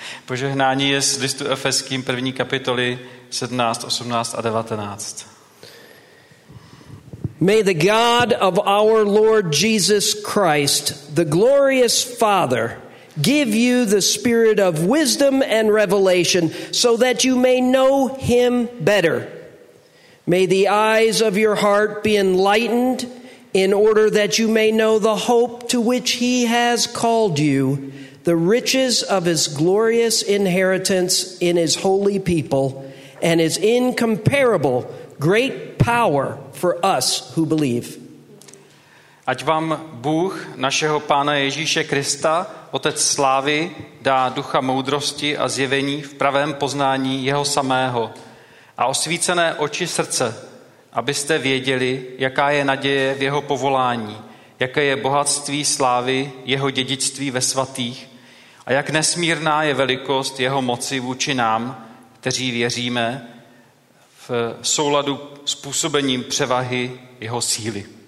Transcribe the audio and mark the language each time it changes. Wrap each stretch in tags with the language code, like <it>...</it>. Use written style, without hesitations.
<cs>Požehnání je z listu Efeským 1. kapitoly 17, 18 a 19.</cs> <en>May the God of our Lord Jesus Christ, the glorious Father, give you the spirit of wisdom and revelation so that you may know him better. May the eyes of your heart be enlightened in order that you may know the hope to which he has called you, the riches of his glorious inheritance in his holy people, and his incomparable great power for us who believe.</en> <cs>Ať vám Bůh našeho Pána Ježíše Krista, Otec slávy, dá ducha moudrosti a zjevení v pravém poznání jeho samého a osvícené oči srdce, abyste věděli, jaká je naděje v jeho povolání, jaké je bohatství slávy, jeho dědictví ve svatých a jak nesmírná je velikost jeho moci vůči nám, kteří věříme v souladu s působením převahy jeho síly.</cs>